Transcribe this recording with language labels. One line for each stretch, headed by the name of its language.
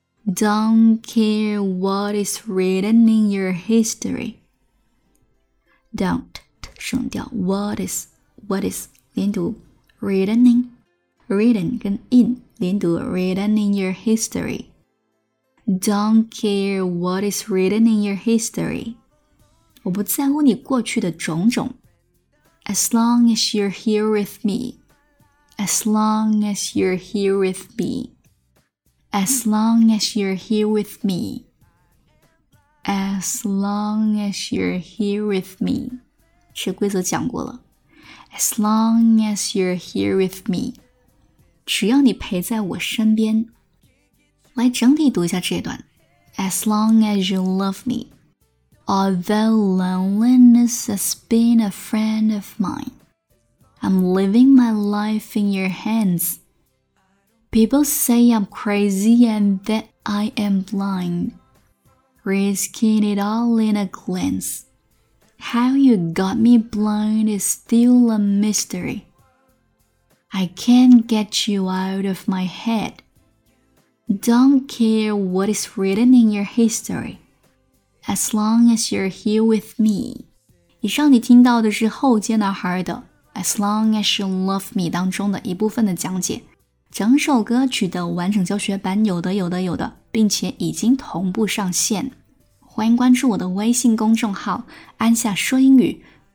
English: Don't care what is written in your history. Don't
Chinese: 省掉
English: what is
Chinese: 连读
English: written in written 跟 in 连读 written in your history. Don't care what is written in your history.
Chinese: 我不在乎你过去的种种。
English: As long as you're here with me. As long as you're here with me. As long as you're here with me. As long as you're here with me.
Chinese: 这规则讲过了。
English: As long as you're here with me.
Chinese: 只要你陪在我身边。来整体读一下这一段。
English: As long as you love me, although loneliness has been a friend of mine, I'm living my life in your hands. People say I'm crazy and that I am blind, risking it all in a glance. How you got me blind is still a mystery. I can't get you out of my head. Don't care what is written in your history, as long as you're here with me.
Chinese: 以上你听到的是后街男孩的 As Long As You Love Me 当中的一部分的讲解。整首歌曲的完整教学版有的，并且已经同步上线。欢迎关注我的微信公众号，按下说英语。